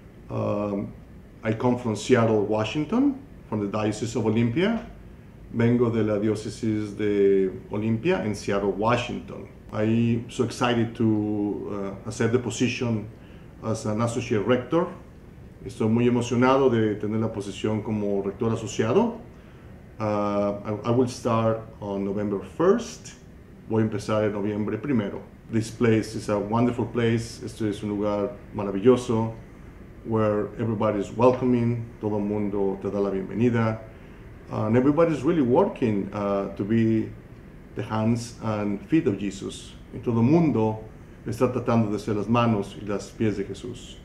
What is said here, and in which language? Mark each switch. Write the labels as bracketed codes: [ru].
[en] I come from Seattle, Washington, from the Diocese of Olympia. [es] Vengo de la diócesis de Olympia en Seattle, Washington. [en] I'm so excited to accept the position as an associate rector. [es] Estoy muy emocionado de tener la posición como rector asociado. [en] I will start on November 1st. [es] Voy a empezar en noviembre primero. [en] This place is a wonderful place. [es] Este es un lugar maravilloso [en] where everybody is welcoming. [es] Todo el mundo te da la bienvenida. [en] And everybody is really working to be the hands and feet of Jesus. [es] Y todo el mundo está tratando de ser las manos y los pies de Jesús.